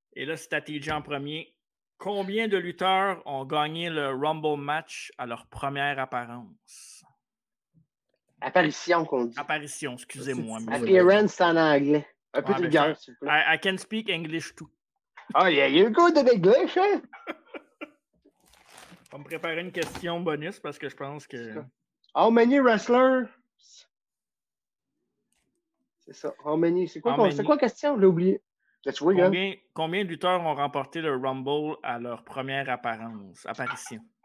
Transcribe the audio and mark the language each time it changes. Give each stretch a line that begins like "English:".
French: Et là, c'est à TJ en premier. Combien de lutteurs ont gagné le Rumble match à leur première apparence? Apparition, qu'on dit. Apparition, excusez-moi. Appearance en anglais. Un peu de gars, s'il vous plaît.
English: I can speak English too. Oh, yeah, you're good in English, hein?
French: On va me préparer une question bonus parce que je pense que.
English: How many wrestlers?
French: C'est ça.
English: How many?
French: C'est quoi la question? J'ai oublié. Combien de lutteurs ont remporté le Rumble à leur première apparition?